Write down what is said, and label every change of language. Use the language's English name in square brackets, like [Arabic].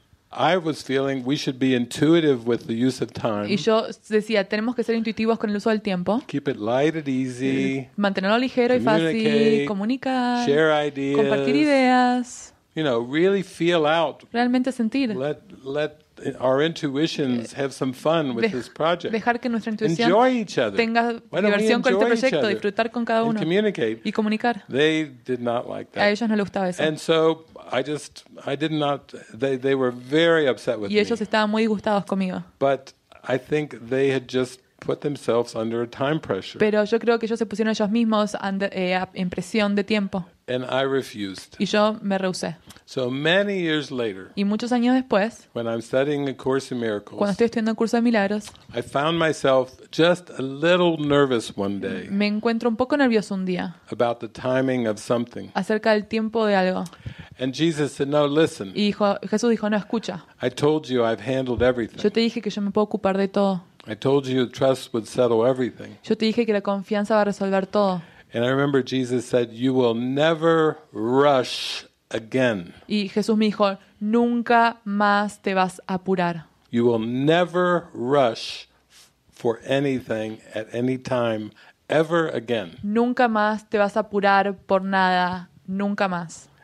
[English] I was feeling we should be intuitive with the use of time. [Spanish] Y yo decía, tenemos que ser intuitivos con el uso del tiempo. [English] Keep it light and easy. [Spanish] Mantenerlo ligero y fácil. Comunicar. [English] Share ideas. [Spanish] Compartir ideas. [English] You know, really feel out. [Spanish] Realmente sentir. [English] Let our intuitions have some fun with this project. [Spanish] Dejar que nuestra intuición [English] enjoy each other. [Spanish] Tenga diversión con este proyecto, disfrutar con cada uno. [English] And communicate. [Spanish] Y comunicar. [English] They did not like that. [Spanish] A ellos no les gustaba eso. [English] And so I did not. They were very upset with me. [Spanish] Y ellos estaban muy disgustados conmigo. [English] But I think they had just put themselves under a time pressure. [Spanish] Pero yo creo que ellos se pusieron ellos mismos en presión de tiempo. [English] And I refused. [Spanish] Y yo me rehusé. [English] So many years later. [Spanish] Y muchos años después. [English] When I'm studying a course in miracles. [Spanish] Cuando estoy estudiando un curso de milagros. [English] I found myself just a little nervous one day. [Spanish] Me encuentro un poco nervioso un día. [English] About the timing of something. [Spanish] Acerca del tiempo de algo. [English] And Jesus said, "No, listen." [Spanish] Y Jesús dijo, "No, escucha." [English] I told you I've handled everything. [Spanish] Yo te dije que yo me puedo ocupar de todo. [English] I told you trust would settle everything. [Spanish] Yo te dije que la confianza va a resolver todo. [English] And I remember Jesus said, "You will never rush again." [Spanish] Y Jesús me dijo, "Nunca más te vas a apurar." [English] You will never rush for anything at any time ever again. [Spanish] Nunca más te vas a apurar por nada, nunca más.